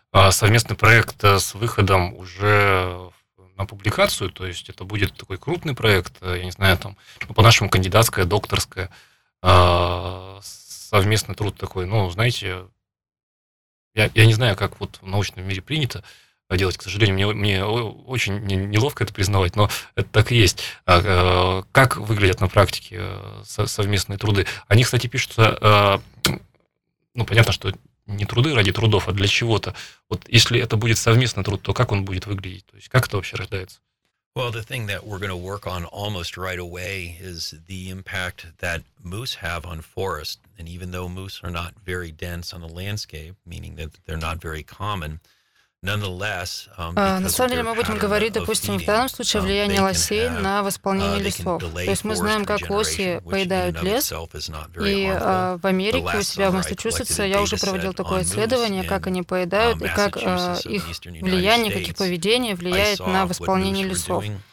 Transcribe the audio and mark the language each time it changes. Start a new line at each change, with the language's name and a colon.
Russian: Совместный проект с выходом уже на публикацию, то есть это будет такой крупный проект, я не знаю, там, по-нашему кандидатская, докторская, совместный труд такой, ну, знаете, я не знаю, как вот в научном мире принято делать, к сожалению, мне очень неловко это признавать, но это так и есть. Как выглядят на практике совместные труды? Они, кстати, пишутся, ну, понятно, что не труды ради трудов, а для чего-то. Вот если это будет совместный труд, то как он будет выглядеть? То есть как это вообще рождается?
English: Well, the thing that we're going to work on almost right away is the impact that moose have on forest. And even though moose are not very dense on the landscape, meaning that they're not very common, nonetheless,
Russian: на самом деле мы будем говорить, допустим, в данном случае о влиянии лосей на восполнение лесов. То есть мы знаем, как лоси поедают лес, и в Америке, у себя в Массачусетсе, я уже проводил такое исследование, как они поедают и как их влияние, как их поведение влияет на восполнение лесов.